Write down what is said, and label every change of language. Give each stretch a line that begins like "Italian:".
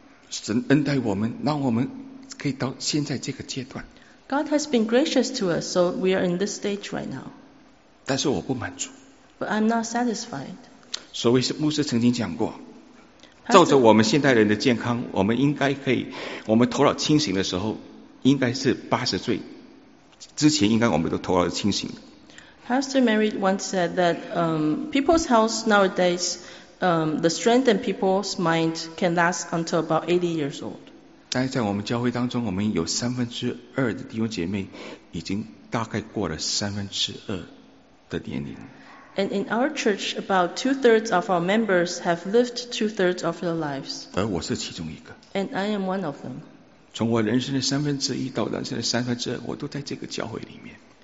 Chinese: 神恩待我们，让我们可以到现在这个阶段。
English: God has been gracious to us, so we are in this stage right now.
Chinese: 但是我不满足。
English: But I'm not satisfied.
Chinese: 所谓是牧师曾经讲过。照着我们现代人的健康，我们应该可以，我们头脑清醒的时候，应该是80岁之前，应该我们都头脑清醒。
English: Pastor Mary once said that people's health nowadays, the strength in people's mind can last until about 80 years old.
Chinese: 但是在我们教会当中，我们有三分之二的弟兄姐妹已经大概过了三分之二的年龄。
English: And in our church, about two-thirds of our members have lived two-thirds of their lives.
Chinese: 而我是其中一个。
English: And I am one of them.
Chinese: 从我人生的三分之一到人生的三分之二，我都在这个教会里面。